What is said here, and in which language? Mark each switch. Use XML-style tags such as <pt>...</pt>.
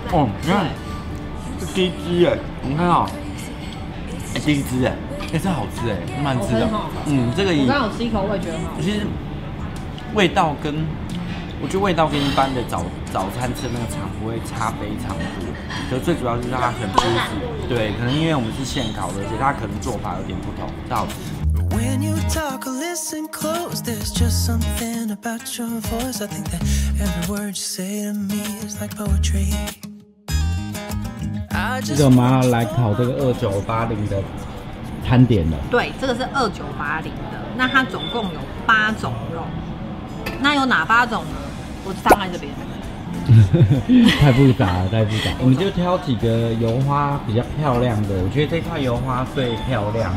<zh>软。哦，你看，是第一只哎，你看啊、哦，第一只哎，哎，这好吃哎，蛮吃的。这个我刚好吃一口，我也觉得很好吃。其实味道跟我觉得味道跟一般的早餐吃的那个肠不会差非常多，可是最主要就是它很丰富。对，可能因为我们是现烤的，而且它可能做法有点不同，到底。</zh> <en>When you talk, listen close. There's just something about your voice. I think that every word you say to me is like poetry.</en> <zh>这个我们要来烤这个2980的餐点了。对，这个是2980的，那它总共有8种肉，那有哪8种呢？我放在这边。太复杂了，太复杂了。我们就挑几个油花比较漂亮的，我觉得这块油花最漂亮。</zh>